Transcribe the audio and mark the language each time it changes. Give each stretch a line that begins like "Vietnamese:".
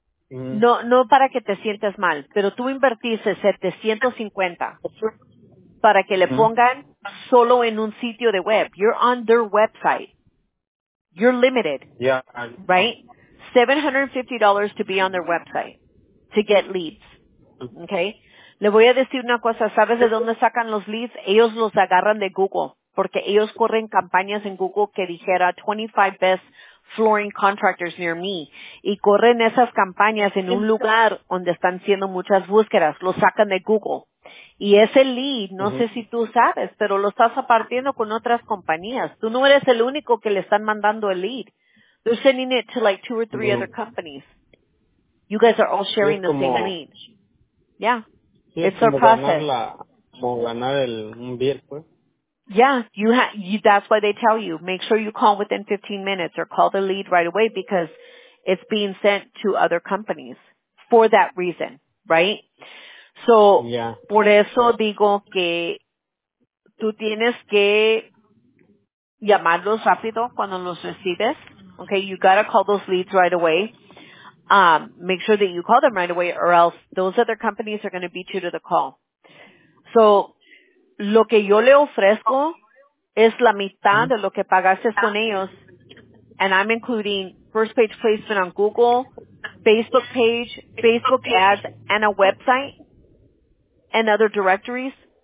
Spanish: No para que te sientas mal, pero tú invertiste 750 para que le pongan solo en un sitio de web.
English: You're on their website. You're limited. Yeah. Right? $750 to be on their website to get leads.
Spanish: Okay? Le voy a decir una cosa. ¿Sabes de dónde sacan los leads? Ellos los agarran de Google porque ellos corren campañas en Google que dijera
English: 25 best flooring contractors near me,
Spanish: y corren esas campañas en un lugar donde están haciendo muchas búsquedas, lo sacan de Google, y ese lead, no sé si tú sabes, pero lo estás apartiendo con otras compañías. Tú no eres el único que le están mandando el lead.
English: They're sending it to like two or three other companies. You guys are all sharing the same lead. Yeah, it's our process.
Spanish: Como ganar el bien, pues.
English: Yeah, that's why they tell you, make sure you call within 15 minutes or call the lead right away, because it's being sent to other companies for that reason, right?
Spanish: So, por eso digo que tú tienes que llamarlos rápido cuando los recibes.
English: Okay, you gotta call those leads right away. Make sure that you call them right away, or else those other companies are gonna beat you to the call.
Spanish: So, lo que yo le ofrezco es la mitad de lo que pagaste con ellos,
English: and I'm including first page placement on Google, Facebook page, Facebook ads, and a website, and other directories.